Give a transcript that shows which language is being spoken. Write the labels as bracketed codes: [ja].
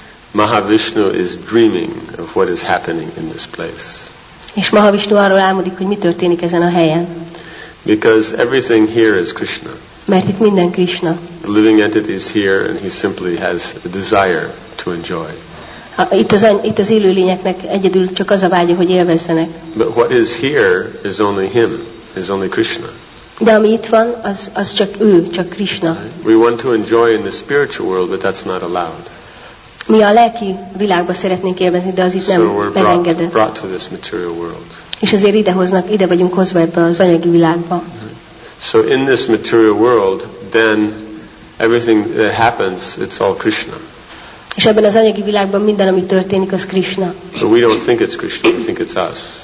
[en] Mahavishnu is dreaming of what is happening in this place. [hu] És Mahavishnu arról álmodik, hogy mi történik ezen a helyen. [en] Because everything here is Krishna. [hu] Mert itt minden Krishna. [en] The living entity is here and he simply has a desire to enjoy. [hu] Itt az élő lényeknek egyedül csak az a vágya, hogy élvezzenek. [en] But what is here is only him, is only Krishna. [hu] De ami itt van, az csak ő, csak Krishna. [en] We want to enjoy in the spiritual world, but that's not allowed. [hu] Mi a lelki világba szeretnénk élvezni, de az itt so nem megengedett. [en] Brought to this material world. [hu] És ezért ide vagyunk hozva ebbe az anyagi világba. [en] So in this material world, then everything that happens, it's all Krishna. [hu] És ebben az anyagi világban minden, ami történik, az Krishna. [en] But we don't think it's Krishna, we think it's us.